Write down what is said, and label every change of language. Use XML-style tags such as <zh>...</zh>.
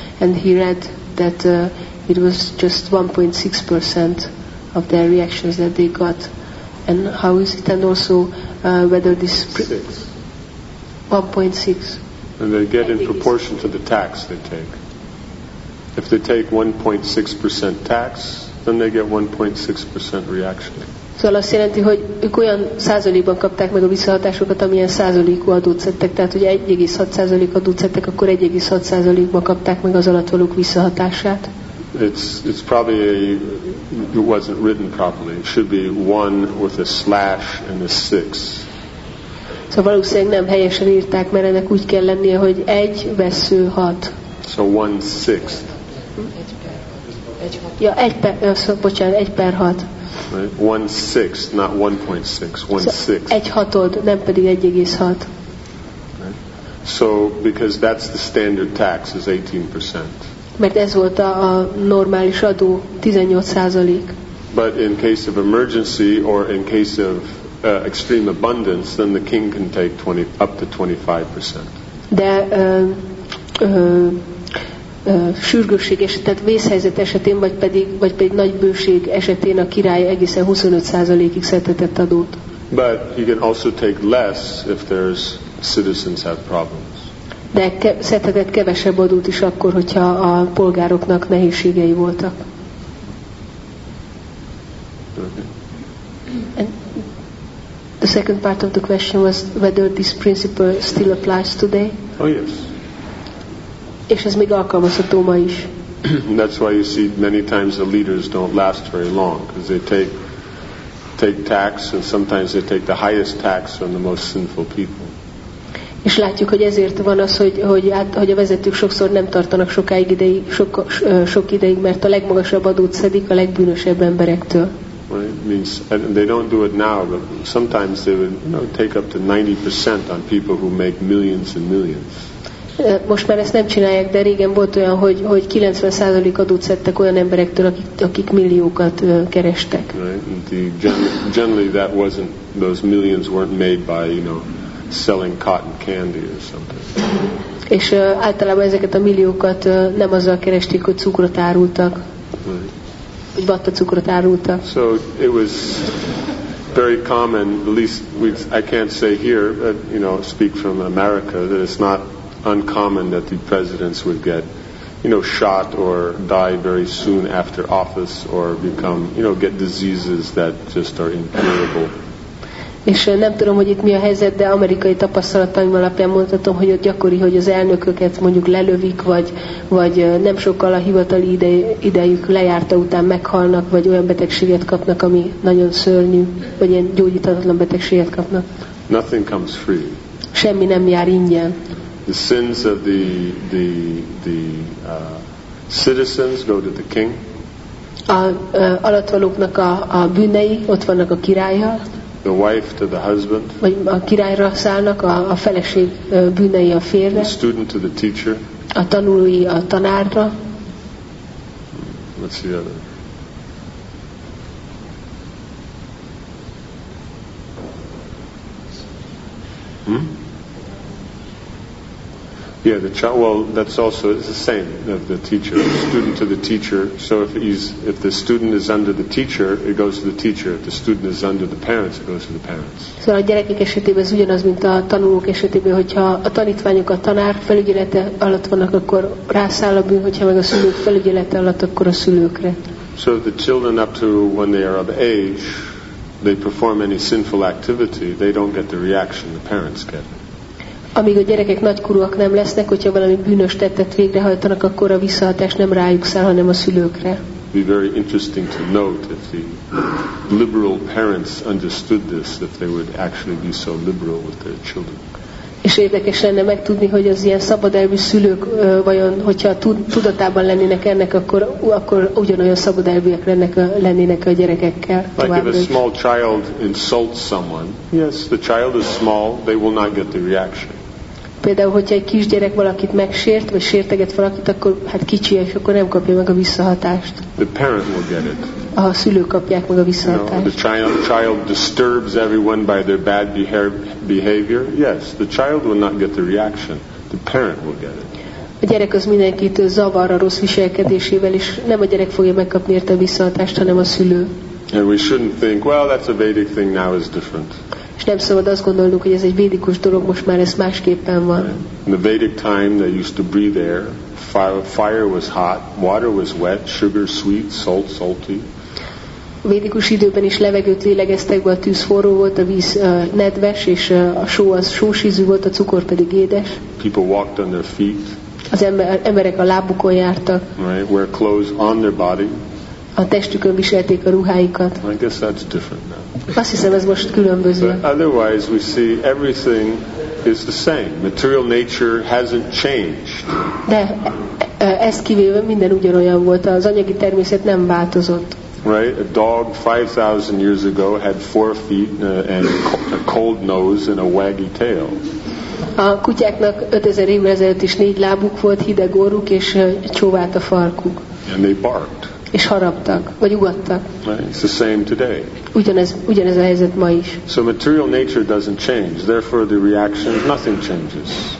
<en>And he read that it was just 1.6% of their reactions that they got. And how is it? And also whether this... 1.6. And they get in proportion to the tax they take. If they take 1.6% tax, then they get 1.6% reaction.</en> <hu>Szóval azt jelenti, hogy ők olyan százalékban kapták meg a visszahatásokat, amilyen százalékú adót szedtek. Tehát, hogy 1.6% adót szedtek, akkor 1.6%-ban kapták meg az alatt valók visszahatását.</hu> <en>It's probably it wasn't written properly. It should be 1 with a slash and a 6.</en> <hu>Szóval valószínűleg nem helyesen írták, mert ennek úgy kell lennie, hogy 1 vesző 6.</hu> <en>So 1/6.</en> <hu>Ja, egy per hat.</hu> <en>1/6, not 1.6, 1/6.</en> <hu>So, egy hatod, nem pedig 1.6.</hu> <en>Right. So, because that's the standard tax, is 18%.</en> <hu>Mert ez volt a normális adó, 18%.</hu> <en>But in case of emergency or in case of extreme abundance, then the king can take 20, up to 25%.</en> <hu>De sürgősség esetén, vészhelyzet esetén, vagy pedig nagy bőség esetén a király egészen 25%-ig szedhetett adót.</hu> <en>But he can also take less if there's citizens have problems.</en> <hu>De szedhetett kevesebb adót is akkor, hogyha a polgároknak nehézségei voltak.</hu> <en>Okay. And the second part of the question was whether this principle still applies today. Oh yes.</en> <hu>És ez még alkalmazható ma is.</hu> <en>That's why you see many times the leaders don't last very long, because they take tax, and sometimes they take the highest tax from the most sinful people.</en> <hu>És látjuk, hogy ezért van az, hogy a vezetők sokszor nem tartanak sokáig ideig, sok ideig, mert a legmagasabb adót szedik a legbűnösebb emberektől.</hu> <en>Right? Means, they don't do it now, but sometimes they would, you know, take up to 90% on people who make millions and millions.</en> <hu>Most már ezt nem csinálják, de régen volt olyan, hogy 90% adót szedtek olyan emberektől, akik milliókat kerestek.</hu> <en>Right. Generally that wasn't, those millions weren't made by, you know, selling cotton candy or something.</en> <hu>És általában ezeket a milliókat nem azzal keresték, hogy cukrot árultak.</hu> <en>Right.</en> <hu>Hogy batta cukrot árultak.</hu> <en>So it was very common, at least I can't say here, but, you know, speak from America, that it's not uncommon that the presidents would get, you know, shot or die very soon after office, or become, you know, get diseases that just are incurable.</en> <hu>És nem tudom, hogy itt mi a helyzet, de amerikai tapasztalataim alapján mondhatom, hogy ott gyakori, hogy az elnököket mondjuk lelövik, vagy nem sokkal a hivatali idejük lejárta után meghalnak, vagy olyan betegséget kapnak, ami nagyon szörnyű, vagy ilyen gyógyíthatatlan betegséget kapnak.</hu> <en>Nothing comes free.</en> <hu>Semmi nem jár ingyen.</hu> <en>The sins of the citizens go to the king.</en> <hu>A alattvalóknak a bűnei ott vannak a királlyal.</hu> <en>The wife to the husband.</en> <hu>Vagy a királyra szállnak a feleség bűnei a férre.</hu> <en>The student to the teacher.</en> <hu>A tanulói a tanárra.</hu> <en>What's the other? Yeah, the child. Well, that's also it's the same of the teacher, the student to the teacher. So if the student is under the teacher, it goes to the teacher. If the student is under the parents, it goes to the parents.</en> <hu>So a gyerekek esetében ez ugyanaz, mint a tanulók esetében, hogyha a tanítványok a tanár felügyelete alatt vannak, akkor rászáll a bűn, hogyha meg a szülők felügyelete alatt, akkor a szülőkre.</hu> <en>So the children up to when they are of age, they perform any sinful activity, they don't get the reaction the parents get.</en> <hu>Amíg a gyerekek nagykorúak nem lesznek, hogyha valami bűnös tettet végrehajtanak, akkor a visszahatás nem rájuk száll, hanem a szülőkre.</hu> <en>Be very interesting to note if the liberal parents understood this, if they would actually be so liberal with their children.</en> <hu>És érdekes lenne megtudni, hogy az ilyen szabad elvű szülők vajon, hogyha tudatában lennének ennek, akkor ugyanolyan szabad elvűek lennének a gyerekekkel.</hu> <en>Like if a small child insults someone, yes, the child is small, they will not get the reaction.</en> <hu>Például, hogyha egy kisgyerek valakit megsért, vagy sérteget valakit, akkor hát kicsi, és akkor nem kapja meg a visszahatást.</hu> <en>The parent will get it.</en> <hu>A szülők kapják meg a visszahatást.</hu> <en>No, the child disturbs everyone by their bad behavior. Yes, the child will not get the reaction. The parent will get it.</en> <hu>A gyerek az mindenkit zavar a rossz viselkedésével, és nem a gyerek fogja megkapni érte a visszahatást, hanem a szülő.</hu> <en>And we shouldn't think, well, that's a Vedic thing, now is different.</en> <hu>És nem szabad azt gondolnunk, hogy ez egy védikus dolog, most már ez másképpen van.</hu> <en>In the Vedic time, they used to breathe air. Fire was hot, water was wet, sugar sweet, salt salty.</en> <hu>Védikus időben is levegőt lélegeztek be, a tűz forró volt, a víz nedves, és a só az sós ízű volt, a cukor pedig édes.</hu> <en>People walked on their feet.</en> <hu>Az emberek a lábukon jártak.</hu> <en>Right, wear clothes on their body.</en> <hu>A testükön viselték a ruháikat.</hu> <en>I guess that's different now.</en> <hu>Azt hiszem, ez most különböző.</hu> <en>But otherwise we see everything is the same. Material nature hasn't changed.</en> <hu>De ezt kivéve minden ugyanolyan volt. Az anyagi természet nem változott.</hu> <en>Right? A dog 5,000 years ago had 4 feet and a cold nose and a waggy tail.</en> <hu>A kutyáknak 5000 évvel ezelőtt is 4 lábuk volt, hideg orruk és csóvált a farkuk.</hu> <en>And they barked.</en> <hu>És haraptak, vagy ugattak.</hu> <en>Right. It's the same today.</en> <hu>Ugyanez a helyzet ma is.</hu> <en>So material nature doesn't change, therefore the reaction, nothing changes.</en>